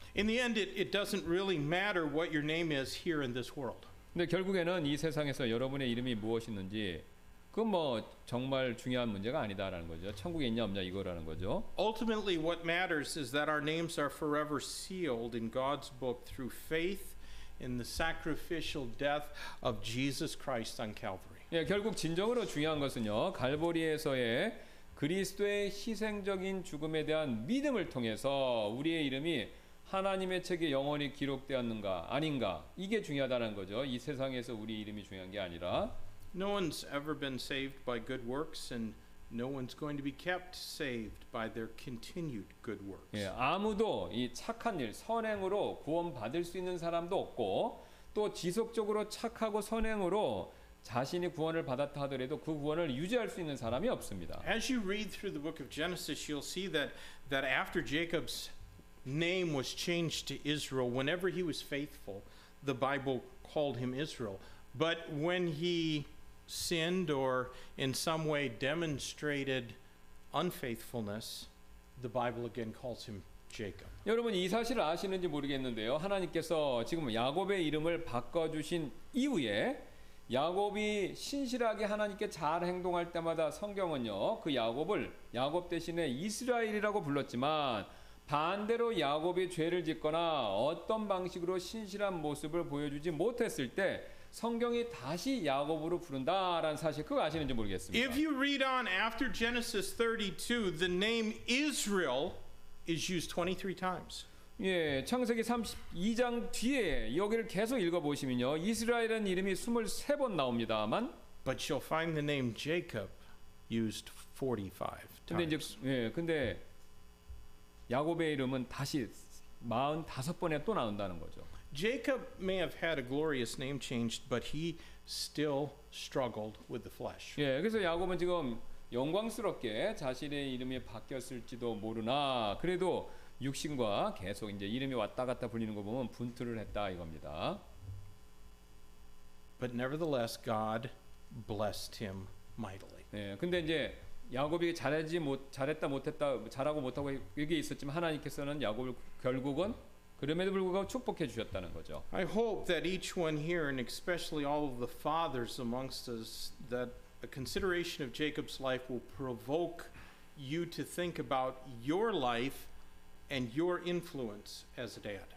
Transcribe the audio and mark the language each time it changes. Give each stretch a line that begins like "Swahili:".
English: In the end, it doesn't really matter what your name is here in this world.
Korean: 근데 결국에는 이 세상에서 여러분의 이름이 무엇이든지 그건 뭐 정말 중요한 문제가 아니다라는 거죠. 천국에 있냐 없냐 이거라는 거죠.
English: Ultimately, what matters is that our names are forever sealed in God's book through faith. In the sacrificial death of Jesus Christ on Calvary.
Korean: 예, 결국 진정으로 중요한 것은요, 갈보리에서의 그리스도의 희생적인 죽음에 대한 믿음을 통해서 우리의 이름이 하나님의 책에 영원히 기록되었는가 아닌가 이게 중요하다는 거죠. 이 세상에서 우리 이름이 중요한 게 아니라.
English: No one's ever been saved by good works, and no one's going to be kept saved by their continued good works.
Korean: 예, 아무도 이 착한 일, 선행으로 구원받을 수 있는 사람도 없고 또 지속적으로 착하고 선행으로 자신이 구원을 받았다 하더라도 그 구원을 유지할 수 있는 사람이 없습니다.
English: As you read through the book of Genesis, you'll see that after Jacob's name was changed to Israel, whenever he was faithful, the Bible called him Israel. But when he sinned or in some way demonstrated unfaithfulness, the Bible again calls him Jacob.
Korean: 여러분 이 사실을 아시는지 모르겠는데요. 하나님께서 지금 야곱의 이름을 바꿔 주신 이후에 야곱이 신실하게 하나님께 잘 행동할 때마다 성경은요. 그 야곱을 야곱 대신에 이스라엘이라고 불렀지만 반대로 야곱이 죄를 짓거나 어떤 방식으로 신실한 모습을 보여주지 못했을 때 성경이 다시 야곱으로 부른다라는 사실 그거 아시는지 모르겠습니다.
English: If you read on after Genesis 32, the name Israel is used 23 times.
Korean: 예, 창세기 32장 뒤에 여기를 계속 읽어 보시면요. 이스라엘은 이름이 23번 나옵니다만
English: But you'll find the name Jacob used 45 times.
Korean: 근데 이제 예, 근데 야곱의 이름은 다시 45번에 또 나온다는 거죠.
English: Jacob may have had a glorious name changed, but he still struggled with the flesh.
Korean: 예, 그래서 야곱은 지금 영광스럽게 자신의 이름이 바뀌었을지도 모르나 그래도 육신과 계속 이제 이름이 왔다 갔다 불리는 거 보면 분투를 했다 이겁니다.
English: But nevertheless God blessed him mightily.
Korean: 예, 근데 이제 야곱이 잘하지 못 잘했다 못했다 잘하고 못하고 이게 있었지만 하나님께서는 야곱을 결국은 그럼에도 불구하고 축복해 주셨다는 거죠.
English: I hope that each one here and especially all of the fathers amongst us that a consideration of Jacob's life will provoke you to think about your life and your influence as a dad.